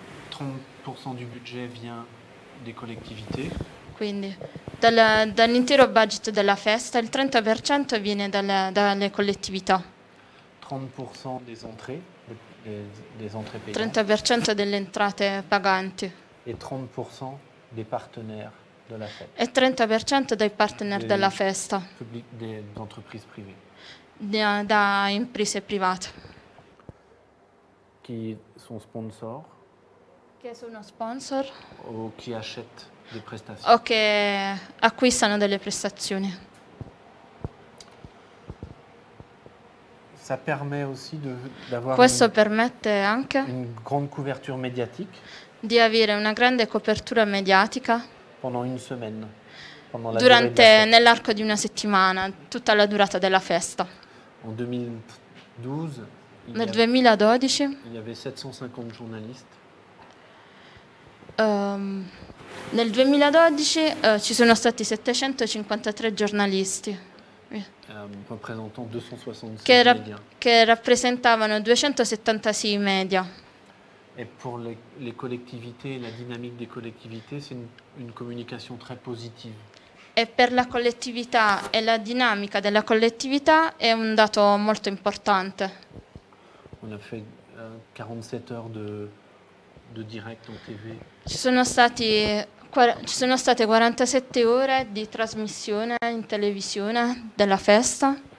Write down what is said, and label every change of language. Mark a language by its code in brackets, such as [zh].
[fr] 30% du budget vient des collectivités. [it] Quindi dall'intero budget della festa il 30% viene dalle collettività. [fr] 30% des entrées, des entrées payantes. [it] 30% delle entrate paganti. [fr] Et 30% des partenaires. [it] E 30% dai partner della festa. [fr] D'entreprise privée. [it] Da imprese private. [fr] Qui sont sponsors. [it] Che sono sponsor. [fr] O qui achètent des prestations. [it] O che acquistano delle prestazioni. [fr] Ça permet aussi d'avoir. [it] Questo permette anche. [fr] Une grande couverture médiatique. [it] Di avere una grande copertura mediatica. [fr] Pendant une semaine, pendant la [it] durante [fr] durée de la fête. [it] Nell'arco di una settimana, tutta la durata della festa. [fr] En 2012, [it] nel 2012, [fr] il y avait 750 journalisti. [it] Nel 2012 ci sono stati 753 giornalisti. [fr] Représentant 266 media. [it] Che rappresentavano 276 media. [fr] Et pour les collectivités, la dynamique des collectivités, c'est une communication très positive. [it] E per la collettività e la dinamica della collettività è un dato molto importante. [fr] On a fait 47 heures de direct en TV. [it] Ci sono state 47 ore di trasmissione in televisione della festa.